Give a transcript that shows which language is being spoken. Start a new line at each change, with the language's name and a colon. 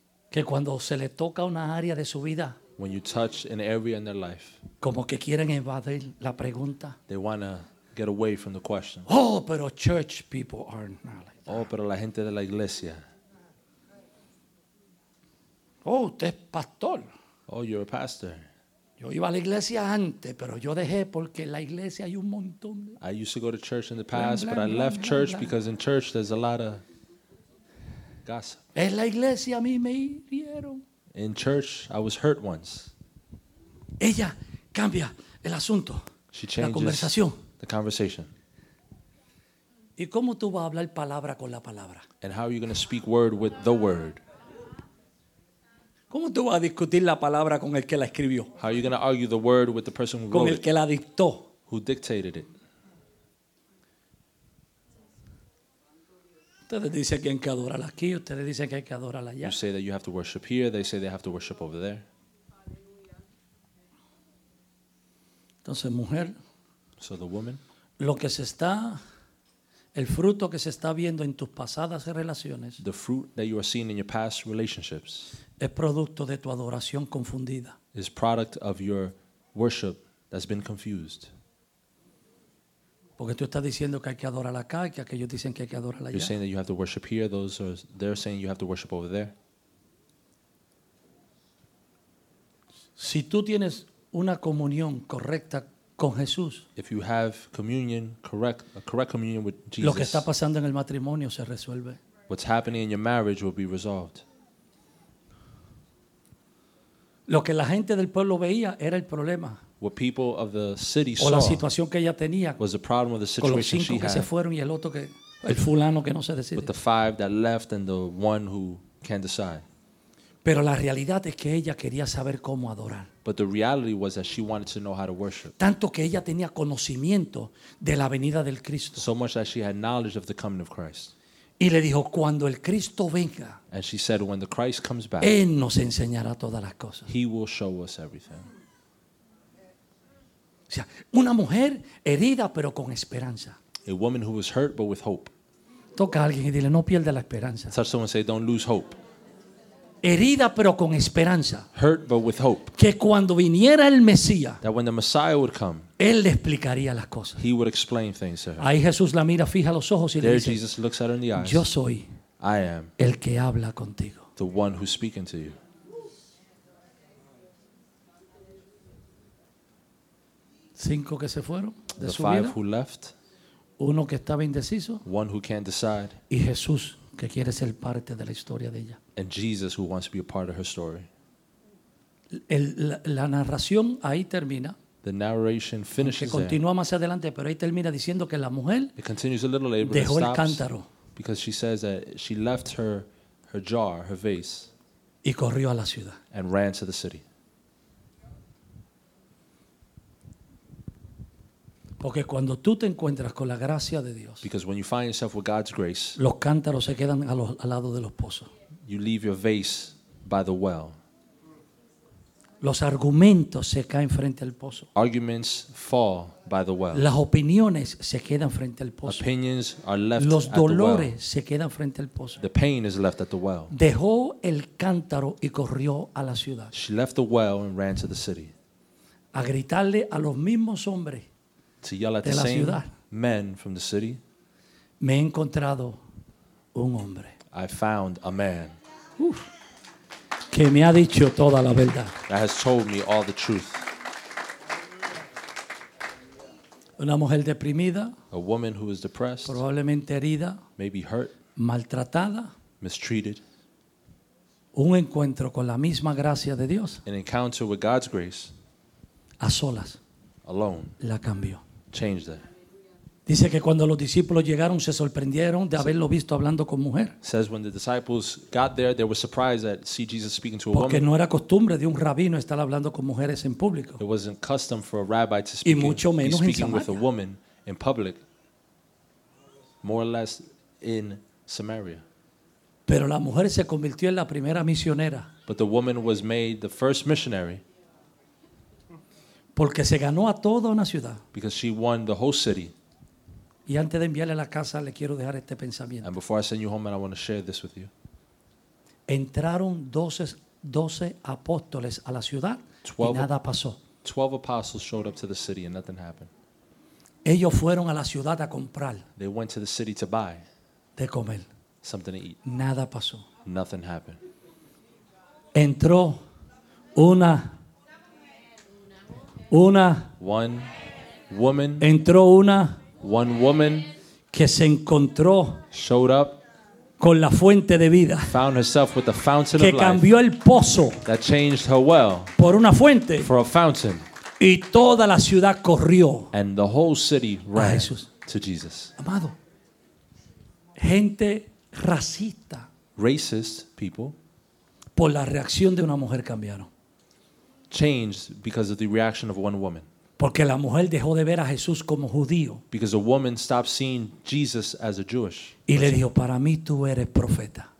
Spanish: Que cuando se le toca una área de su vida,
English: when you touch an area in their life,
Spanish: como que quieren evadir la pregunta.
English: They want to get away from the question. Oh, pero church people aren't not like.
Spanish: Oh, pero la gente de la iglesia. Oh, usted es pastor.
English: Oh, you're a pastor.
Spanish: Yo iba a la iglesia antes, pero yo dejé porque en la iglesia hay un montón de...
English: I used to go to church in the past, blan, blan, but I left blan, church blan, because in church there's a lot of gossip.
Spanish: En la iglesia a mí me hirieron.
English: In church, I was hurt once.
Spanish: Ella cambia el asunto.
English: She changes
Spanish: la conversación.
English: The conversation.
Spanish: ¿Y cómo tú vas a hablar palabra con la palabra?
English: And how are you going to speak word with the word?
Spanish: ¿Cómo tú vas a discutir la palabra con el que la escribió?
English: How are you going to argue the word with the person who wrote
Spanish: it? Con el que la dictó.
English: Who dictated it?
Spanish: Ustedes dicen que hay que adorar aquí, ustedes dicen que hay que adorar allá.
English: You say that you have to worship here, they say they have to worship over there.
Spanish: Entonces, mujer,
English: so the woman,
Spanish: lo que se está, el fruto que se está viendo en tus pasadas relaciones,
English: the fruit that you are seeing in your past relationships,
Spanish: es producto de tu adoración confundida,
English: is product of your worship that's been confused.
Spanish: Porque tú estás diciendo que hay que adorar acá y que aquellos dicen que hay que adorar allá.
English: You're saying that you have to worship here, those are, they're saying you have to worship over there.
Spanish: Si tú tienes una comunión correcta con Jesús,
English: if you have communion, a correct communion with Jesus,
Spanish: lo que está pasando en el matrimonio se resuelve.
English: What's happening in your marriage will be resolved.
Spanish: Lo que la gente del pueblo veía era el problema.
English: What people of the city
Spanish: o la situación que ella tenía,
English: was the problem of the situation
Spanish: con los cinco
English: she
Spanish: que
English: had,
Spanish: se fueron y el otro que, el fulano que no se decide.
English: With the five that left and the one who can't decide.
Spanish: Pero la realidad es que ella quería saber cómo adorar.
English: But the reality was that she wanted to know how to worship.
Spanish: Tanto que ella tenía conocimiento de la venida del Cristo.
English: So much that she had knowledge of the coming of Christ.
Spanish: Y le dijo, cuando el Cristo venga,
English: and she said, when the Christ comes back,
Spanish: Él nos enseñará todas las cosas.
English: He will show us everything.
Spanish: O sea, una mujer herida pero con esperanza.
English: A woman who was hurt but with hope.
Spanish: Toca a alguien y dile, no pierdas la esperanza.
English: Touch someone and say, don't lose hope.
Spanish: Herida pero con esperanza.
English: Hurt but with hope.
Spanish: Que cuando viniera el Mesías,
English: that when the Messiah would come,
Spanish: Él le explicaría las cosas.
English: He would explain things to her.
Spanish: Ahí Jesús la mira fija los ojos y
English: there
Spanish: le dice,
English: Jesus looks at her in the eyes.
Spanish: Yo soy,
English: I am,
Spanish: el que habla contigo.
English: The one who's speaking to you.
Spanish: O Cinco que se fueron de
English: the
Spanish: su
English: five
Spanish: vida.
English: Who left.
Spanish: Uno que estaba indeciso.
English: One who can't decide.
Spanish: Y Jesús, que quiere ser parte de la historia de ella.
English: And Jesus, who wants to be a part of her story.
Spanish: La narración ahí termina.
English: The narration finishes there.
Spanish: Continúa más adelante, pero ahí termina diciendo que la mujer dejó el cántaro.
English: Because she says that she left her jar, her vase.
Spanish: Y corrió a la ciudad.
English: And ran to the city.
Spanish: Porque cuando tú te encuentras con la gracia de Dios,
English: because when you find yourself with God's grace,
Spanish: los cántaros se quedan al lado de los pozos.
English: You leave your vase by the well.
Spanish: Los argumentos se caen frente al pozo.
English: Arguments fall by the well.
Spanish: Las opiniones se quedan frente al pozo.
English: Opinions are left at the well.
Spanish: Los dolores se quedan frente al pozo.
English: The pain is left at the well.
Spanish: Dejó el cántaro y corrió a la ciudad.
English: She left the well and ran to the city.
Spanish: A gritarle a los mismos hombres de la ciudad.
English: To yell at the same men from the city.
Spanish: Me he encontrado un hombre.
English: I found a man.
Spanish: Uf. Que me ha dicho toda la verdad.
English: That has told me all the truth.
Spanish: Una mujer deprimida.
English: A woman who is depressed.
Spanish: Probablemente herida.
English: Maybe hurt.
Spanish: Maltratada.
English: Mistreated.
Spanish: Un encuentro con la misma gracia de Dios.
English: An encounter with God's grace.
Spanish: A solas.
English: Alone.
Spanish: La cambió.
English: Changed her.
Spanish: Dice que cuando los discípulos llegaron se sorprendieron de haberlo visto hablando con mujer.
English: Says when the disciples got there they were surprised to see Jesus speaking to a
Spanish: porque Porque no era costumbre de un rabino estar hablando con mujeres en público.
English: It wasn't custom for a rabbi to speak.
Spanish: Y mucho menos
English: speaking
Spanish: en Samaria.
English: With a woman in public. More or less in Samaria.
Spanish: Pero la mujer se convirtió en la primera misionera.
English: But the woman was made the first missionary.
Spanish: Porque se ganó a toda una ciudad.
English: Because she won the whole city.
Spanish: Y antes de enviarle a la casa, le quiero dejar este pensamiento.
English: And before I send you home, I want to share this with you.
Spanish: Entraron 12 apóstoles a la ciudad y nada pasó.
English: 12 apostles showed up to the city and nothing happened.
Spanish: Ellos fueron a la ciudad a comprar.
English: They went to the city to buy.
Spanish: De comer.
English: Something to eat.
Spanish: Nada pasó.
English: Nothing happened.
Spanish: Entró una
English: one woman.
Spanish: Entró una
English: one woman
Spanish: que se encontró
English: showed up
Spanish: con la fuente de vida,
English: found herself with the fountain
Spanish: que
English: of life,
Spanish: cambió el pozo
English: that changed her well
Spanish: por una fuente
English: for a fountain,
Spanish: y toda la ciudad corrió
English: and the whole city ran
Spanish: a Jesús.
English: To Jesus.
Spanish: Amado, gente racista,
English: racist people,
Spanish: por la reacción de una mujer cambiaron,
English: changed because of the reaction of one woman.
Spanish: Porque la mujer dejó de ver a Jesús como judío.
English: Because a woman stopped seeing Jesus as a Jewish.
Spanish: Y le dijo, para mí tú eres profeta.